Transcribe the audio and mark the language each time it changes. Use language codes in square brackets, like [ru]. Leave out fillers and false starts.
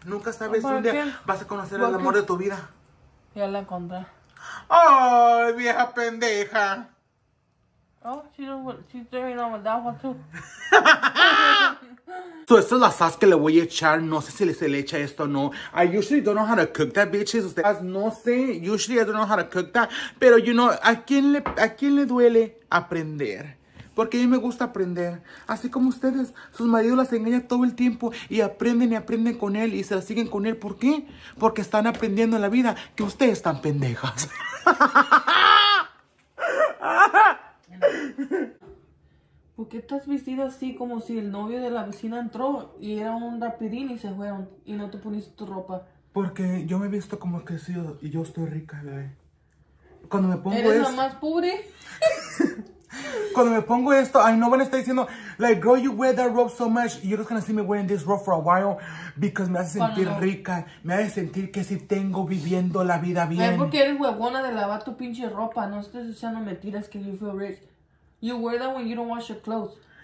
[es] Nunca sabes si un día vas a conocer el amor de tu vida. Ya la encontré. Ay, vieja pendeja. [en] Oh, she's doing it on my dad, too. [es] So, esto es la sauce que le voy a echar. No sé si se le echa esto o no. [en] I usually don't know how to cook that, bitches. [es] Ustedes no sé. [en] Usually I don't know how to cook that. [es] Pero, [en] you know, [es] ¿a quién le duele aprender? Porque a mí me gusta aprender. Así como ustedes. Sus maridos las engañan todo el tiempo. Y aprenden con él. Y se las siguen con él. ¿Por qué? Porque están aprendiendo en la vida que ustedes están pendejas. ¿Por qué estás vestida así como si el novio de la vecina entró y era un rapidín y se fueron y no te poniste tu ropa? Porque yo me he visto como que sí, y yo estoy rica, bebé. Cuando me pongo ¿eres esto? ¿Eres la más pobre? Cuando me pongo esto, [en] I know when [es] está diciendo, [en] like, girl, you wear that robe so much, you're just gonna see me wearing this robe for a while, because [es] me hace sentir no. Rica, me hace sentir que sí tengo viviendo la vida bien. Es porque eres huevona de lavar tu pinche ropa, no estés diciendo mentiras que [en] you feel rich. You wear that when you don't wash your clothes.